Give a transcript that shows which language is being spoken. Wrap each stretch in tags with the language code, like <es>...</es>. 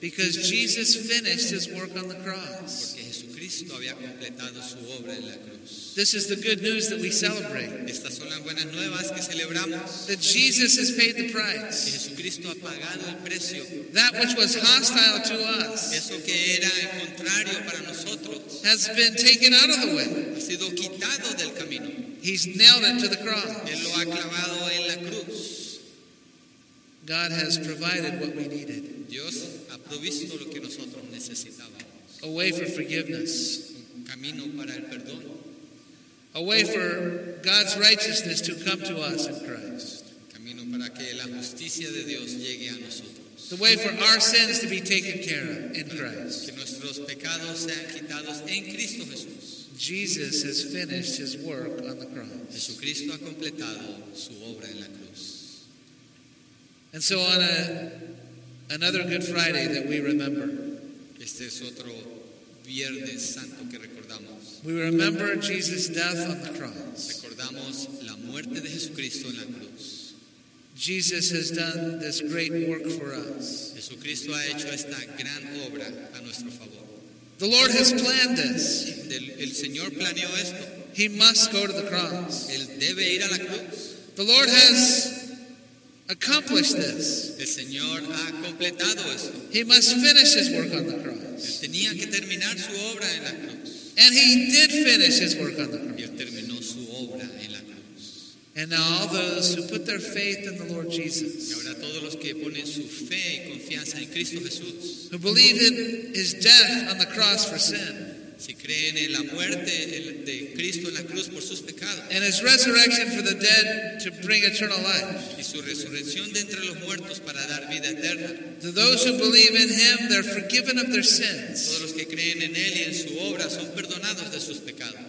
<en>Because Jesus finished his work on the cross.</en> <es>Porque Jesucristo había completado su obra en la cruz.</es> <en>This is the good news that we celebrate.</en> <es>Estas son las buenas nuevas que celebramos.</es> <en>That Jesus has paid the price.</en> <es>Que Jesucristo ha pagado el precio.</es> <en>That which was hostile to us.</en> <es>Eso que era el contrario para nosotros.</es> <en>Has been taken out of the way.</en> <es>Ha sido quitado del camino.</es> <en>He's nailed it to the cross.</en> <es>Él lo ha clavado en la cruz.</es> <en>God has provided what we needed.</en> <es>Dios ha provisto lo que nosotros necesitábamos.</es> <en>A way for forgiveness.</en> <es>Un camino para el perdón.</es> <en>A way for God's righteousness to come to us in Christ.</en> <es>Un camino para que la justicia de Dios llegue a nosotros.</es> <en>The way for our sins to be taken care of in Christ.</en> <es>Que nuestros pecados sean quitados en Cristo Jesús.</es> <en>Jesus has finished his work on the cross.</en> <es>Jesucristo ha completado su obra en la cruz.</es> <en>And so on another Good Friday that we remember.</en> <es>Este es otro Viernes Santo que recordamos.</es> <en>We remember Jesus' death on the cross.</en> <es>Recordamos la muerte de Jesucristo en la cruz.</es> <en>Jesus has done this great work for us.</en> <es>Jesucristo ha hecho esta gran obra a nuestro favor.</es> <en>The Lord has planned this.</en> <es>El Señor planeó esto.</es> <en>He must go to the cross.</en> <es>Él debe ir a la cruz.</es> <en>The Lord has accomplished this.</en> <es>El Señor ha completado esto.</es> <en>He must finish his work on the cross.</en> <es>Él tenía que terminar su obra en la cruz.</es> <en>And he did finish his work on the cross.</en> <es>Y él terminó su obra en la cruz.</es> <en>And now all those who put their faith in the Lord Jesus.</en> <es>Y ahora todos los que ponen su fe y confianza en Cristo Jesús.</es> <en>Who believe in his death on the cross for sin.</en> <es>Si creen en la muerte de Cristo en la cruz por sus pecados.</es> <en>And his resurrection for the dead to bring eternal life.</en> <es>Y su resurrección de entre los muertos para dar vida eterna.</es> <en>To those who believe in him, they're forgiven of their sins.</en> <es>Todos los que creen en él y en su obra son perdonados de sus pecados.</es>